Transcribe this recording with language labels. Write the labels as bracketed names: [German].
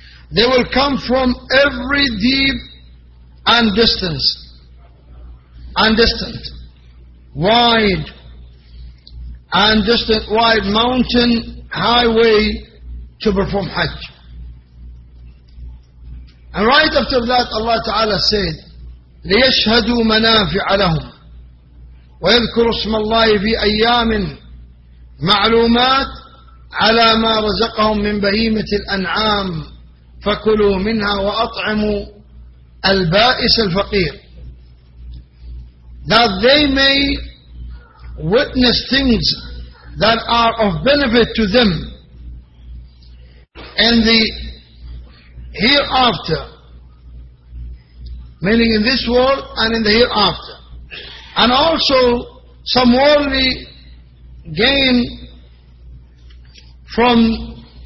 [English] They will come from every deep and distance, and distant, wide and distant, wide mountain highway to perform Hajj. And right after that, Allah Ta'ala said, [Arabic] لِيَشْهَدُوا مَنَافِعَ لَهُمْ وَيَذْكُرُوا اسْمَ اللَّهِ فِي أَيَّامٍ مَعْلُومَاتٍ عَلَى مَا رَزَقَهُمْ مِنْ بَهِيمَةِ الْأَنْعَامِ فَكُلُوا مِنْهَا وَأَطْعِمُوا الْبَائِسَ الْفَقِيرِ. [English] That they may witness things that are of benefit to them and the hereafter, meaning in this world and in the hereafter, and also some worldly gain from